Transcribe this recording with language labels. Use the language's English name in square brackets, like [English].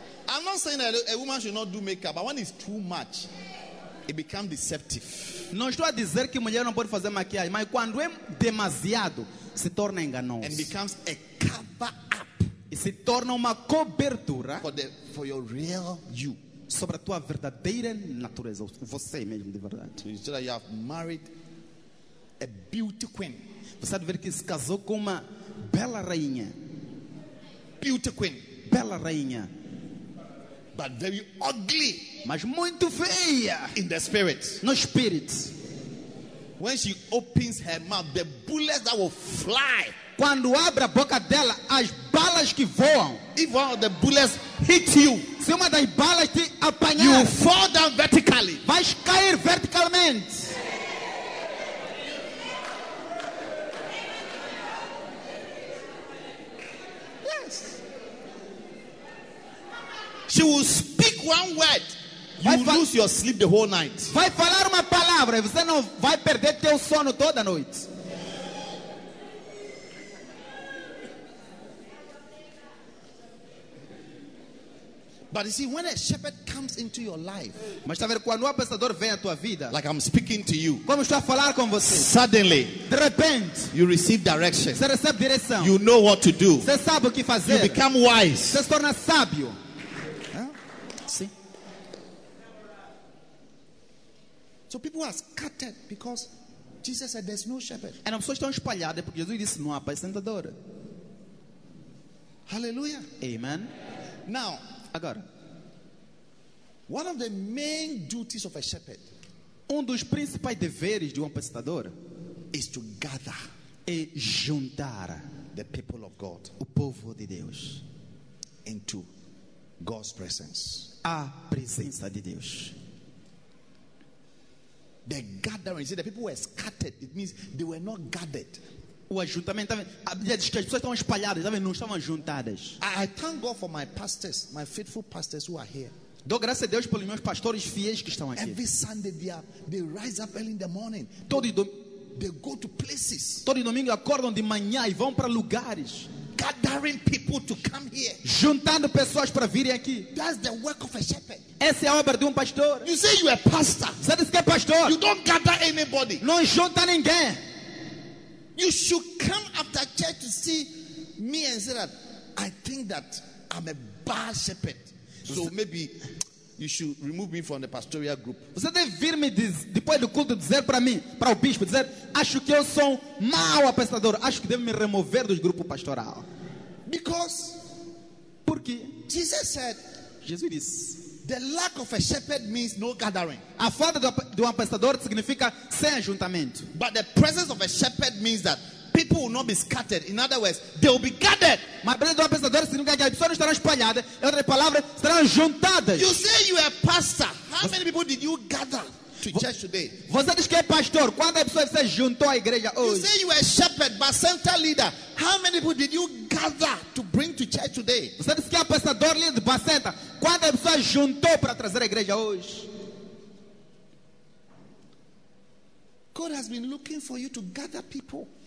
[English] I'm not saying that a woman should not do makeup, but when it's too much, it becomes deceptive. [Portuguese] Não estou a dizer que mulher não pode fazer maquiagem, mas quando é demasiado, se torna enganoso. [English] And becomes a cover up. [Portuguese] E se torna uma cobertura [English] for your real you. [Portuguese] Sobre a tua verdadeira natureza, você mesmo de verdade. [English] You see that you have married a beauty queen. [Portuguese] Você deve ver que se casou com uma bela rainha. [English] Beauty queen. [Portuguese] Bela rainha. [English] But very ugly. [Portuguese] Mas muito feia. [English] In the spirit. [Portuguese] No [English] spirit. When she opens her mouth, the bullets that will fly. [Portuguese] Quando abre a boca dela, as balas que voam. [English] If one of the bullets hit you, [Portuguese] se uma das balas te apanhar, [English] you fall down vertically. [Portuguese] Vais cair verticalmente. [English] She will speak one word, you will lose your sleep the whole night. [Portuguese] Vai falar uma palavra e você não vai perder teu sono toda noite. [English] But you see, when a shepherd comes into your life, [Portuguese] mas tá vendo quando o pastor vem à tua vida, [English] like I'm speaking to you, [Portuguese] como estou a falar com você, [English] suddenly, [Portuguese] de repente, [English] you receive direction. [Portuguese] Você recebe direção. [English] You know what to do. [Portuguese] Você sabe o que fazer. [English] You become wise. [Portuguese] Você se torna sábio. [English] So people are scattered because Jesus said there's no shepherd. And [Portuguese] as pessoas estão espalhadas porque Jesus disse não há apacentador. Hallelujah. Amen. [English] Now, [Portuguese] agora, [English] one of the main duties of a shepherd, [Portuguese] um dos principais deveres de um apacentador, [English] is to gather, [Portuguese] é juntar [English] the people of God, [Portuguese] o povo de Deus, [English] into God's presence, [Portuguese] a presença de Deus. [English] The gathering, you see, the people were scattered. It means they were not gathered. [Portuguese] O ajuntamento, a Bíblia diz que as pessoas estavam espalhadas, não estavam juntadas. [English] I thank God for my pastors, my faithful pastors who are here. [Portuguese] Dou graças a Deus pelos meus pastores fiéis que estão aqui. [English] Every Sunday they rise up early in the morning. They go to places. [Portuguese] Todo domingo acordam de manhã e vão para lugares. [English] Gathering people to come here. [Portuguese] Juntando pessoas para virem aqui. [English] That's the work of a shepherd. [Portuguese] Essa é a obra de pastor. [English] You say you are pastor. [Portuguese] Você diz que é pastor. [English] You don't gather anybody. [Portuguese] Não junta ninguém. [English] You should come after church to see me and say that I think that I'm a bad shepherd. So maybe you should remove me from the pastoral group. [Portuguese] Você deve vir me depois do culto dizer para mim, para o bispo, dizer, acho que eu sou um mau apacentador. Acho que deve me remover do grupo pastoral. [English] Because, [Portuguese] porque [English] Jesus said, [Portuguese] Jesus disse, [English] the lack of a shepherd means no gathering. [Portuguese] A falta de apacentador significa sem ajuntamento. [English] But the presence of a shepherd means that people will not be scattered. In other words, they will be gathered. [Portuguese] Mas a presença do pastor significa que as pessoas não estarão espalhadas. Em outras palavras, estarão juntadas. [English] You say you are pastor. How many people did you gather to church today? [Portuguese] Você diz que é pastor. Quantas pessoas você juntou à igreja hoje? [English] You say you are shepherd, but center leader. How many people did you gather to bring to church today? [Portuguese] Você diz que é pastor, líder de bacenta. Quantas pessoas juntou para trazer à igreja hoje? [English] God has been looking for you to gather people.